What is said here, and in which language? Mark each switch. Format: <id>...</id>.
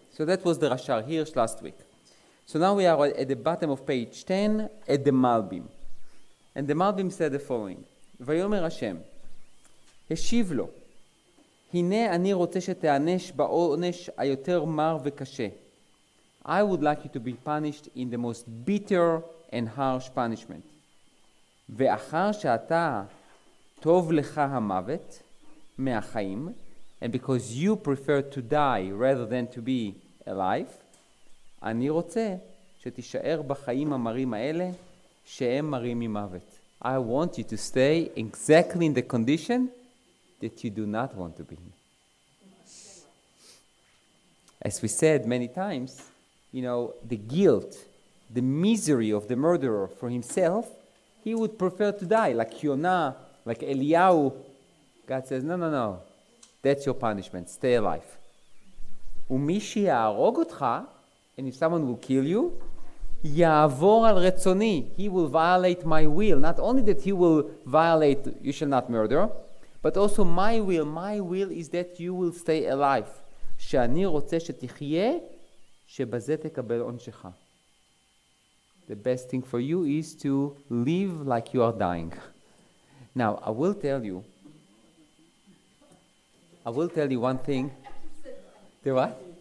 <en>So that was the Rashar Hirsch last week. So now we are at the bottom of page 10 at the Malbim. And the Malbim said the following,</en> <he>ויאמר השם, השיב לו, הנה אני רוצה שתענש בעונש היותר מר וקשה.</he> <en>I would like you to be punished in the most bitter and harsh punishment.</en> <he>ואחר שאתה טוב לך המוות מהחיים,</he> <en>and because you prefer to die rather than to be alive,</en> <he>אני רוצה שתישאר בחיים המרים האלה שהם מרים ממוות.</he> <en>I want you to stay exactly in the condition that you do not want to be in. As we said many times, you know, the guilt, the misery of the murderer for himself, he would prefer to die, like Yonah, like Eliyahu. God says, no, that's your punishment, stay alive.</en> <he>ומישי יערוג אותך,</he> <en>and if someone will kill you,</en> <he>יעבור על רצוני,</he> <en>he will violate my will. Not only that he will violate, you shall not murder, but also my will is that you will stay alive.</en> <he>שאני רוצה שתחיה, שבזה תקבל עונשך.</he> <en>The best thing for you is to live like you are dying. Now, I will tell you one thing. The what?</en>